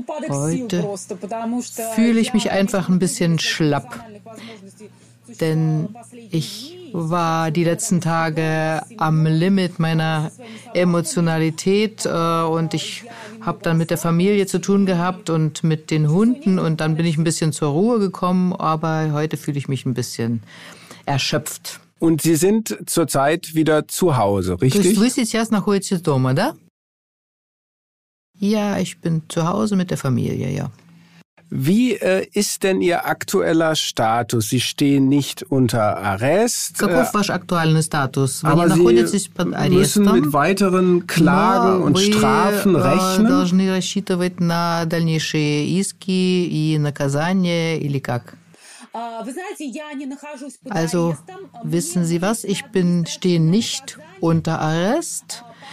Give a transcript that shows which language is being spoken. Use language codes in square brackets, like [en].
[de] Heute fühle ich mich einfach ein bisschen schlapp, denn ich war die letzten Tage am Limit meiner Emotionalität und ich habe dann mit der Familie zu tun gehabt und mit den Hunden und dann bin ich ein bisschen zur Ruhe gekommen, aber heute fühle ich mich ein bisschen erschöpft. Und Sie sind zurzeit wieder zu Hause, richtig? [ru] Вы сейчас находитесь дома, да? [de] Ja, ich bin zu Hause mit der Familie, ja. Wie ist denn Ihr aktueller Status? Sie stehen nicht unter Arrest. [ru] Каков ваш актуальный статус? Вы не находитесь под арестом? [de] Müssen mit weiteren Klagen und Strafen rechnen? [ru] Вы должны рассчитывать на дальнейшие иски и наказания или как? [de] Also, wissen Sie was? Ich stehe nicht unter Arrest.